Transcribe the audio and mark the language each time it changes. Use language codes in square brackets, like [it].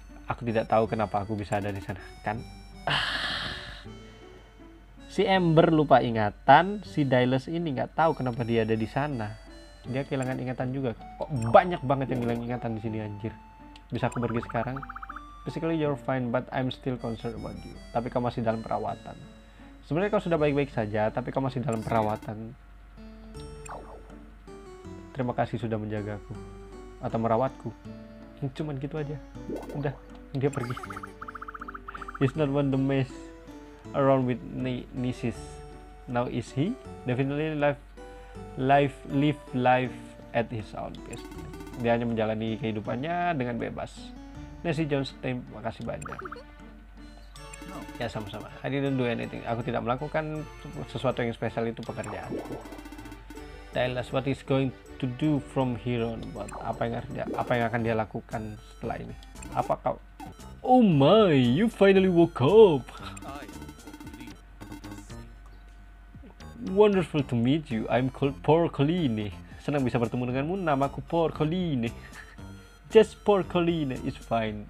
[id] Aku tidak tahu kenapa aku bisa ada di sana, kan? Si Ember lupa ingatan, si Dailas ini nggak tahu kenapa dia ada di sana. Dia kehilangan ingatan juga. Kok banyak banget yang hilang ingatan di sini anjir. Bisa aku pergi sekarang? [en] Basically you're fine, but I'm still concerned about you. [id] Tapi kamu masih dalam perawatan. Sebenarnya kau sudah baik-baik saja, tapi kau masih dalam perawatan. Terima kasih sudah menjagaku atau merawatku. Cuman gitu aja. Udah, dia pergi. [en] He's not one to mess around with nieces. Now is he? Definitely live life at his own pace. [id] Dia hanya menjalani kehidupannya dengan bebas. Nancy Jones, terima kasih banyak. Ya sama-sama. [en] I didn't do anything. [id] Aku tidak melakukan sesuatu yang spesial, itu pekerjaan. [en] Tell us what is going to do from here on. What? [id] Apa yang akan dia lakukan setelah ini? Apa kau? [en] Oh my, you finally woke up. Wonderful to meet you. I'm called Porcolini. [id] Senang bisa bertemu denganmu. Namaku Porcolini. [en] Just Porcolini is fine.